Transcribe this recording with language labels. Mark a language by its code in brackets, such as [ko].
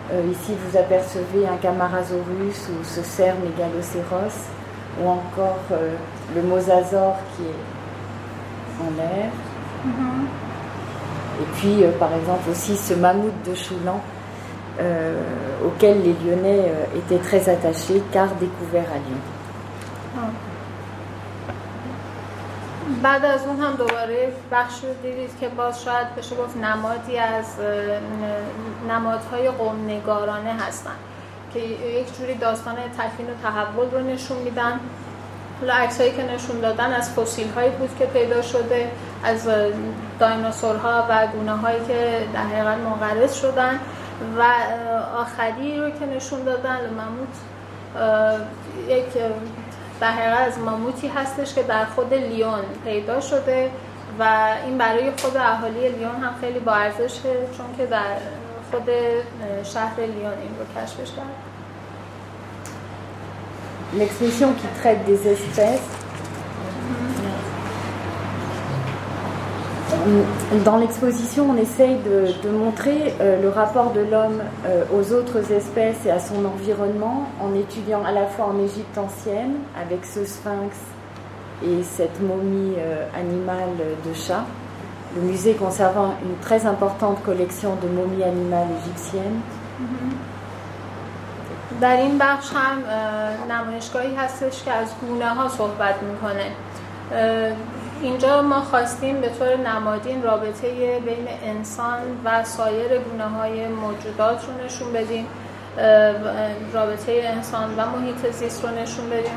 [fr] Ici, vous apercevez un Camarasaurus ou ce cerf mégalocéros, ou encore le mosasaure qui est en l'air. Et puis, par exemple, aussi ce mammouth de Choulan, auquel les Lyonnais étaient très attachés, car découvert à Lyon. [fa] بعد از اون هم دوباره بخش رو دیدید که باز شاید بشه گفت نمادی از نمادهای قوم‌نگارانه هستن که یک جوری داستان تکوین و تحول رو نشون میدن. حالا عکسایی که نشون دادن از فسیل‌هایی بود که پیدا شده، از دایناسورها و گونه‌هایی که در حقیقت منقرض شدن، و آخری رو که نشون دادن ماموت، یک در حقیقت از ماموتی هستش که در خود لیون پیدا شده و این برای خود اهالی لیون هم خیلی با ارزشه، چون که در خود شهر لیون این رو کشفش کرد. [fr] L'expression qui traite des espèces. Dans l'exposition, on essaye de montrer le rapport de l'homme aux autres espèces et à son environnement en étudiant à la fois en Égypte ancienne, avec ce sphinx et cette momie animale de chat. Le musée conserve une très importante collection de momies animales égyptiennes. [fa] در این بخش هم نمایشگاهی هستش که از گونه ها صحبت میکنه. اینجا ما خواستیم به طور نمادین رابطه بین انسان و سایر گونه های موجودات رو نشون بدیم، رابطه انسان و محیط زیست رو نشون بدیم.